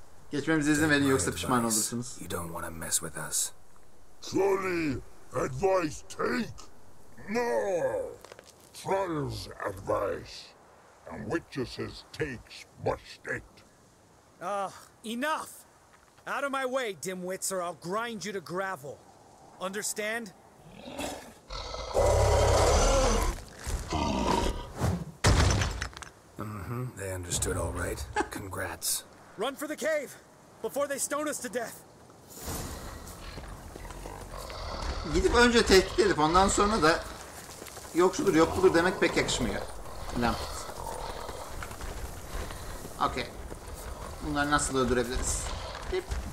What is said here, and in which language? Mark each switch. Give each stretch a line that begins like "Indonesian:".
Turkish: Geçmemize izin verin yoksa pişman olursunuz.
English: You don't want to mess with us. Trolley, advice take. No. Trolls advice. And witches takes must it. Enough. Out of my way, dimwits, or I'll grind you to gravel. Understand? Mm-hmm. They understood all right. Congrats. Run for the cave. Before they stone us to death.
Turkish: Gidip önce tehdit edip ondan sonra da yokçudur yokludur demek pek yakışmıyor. Lampet. Okay. Bunları nasıl öldürebiliriz? Hip.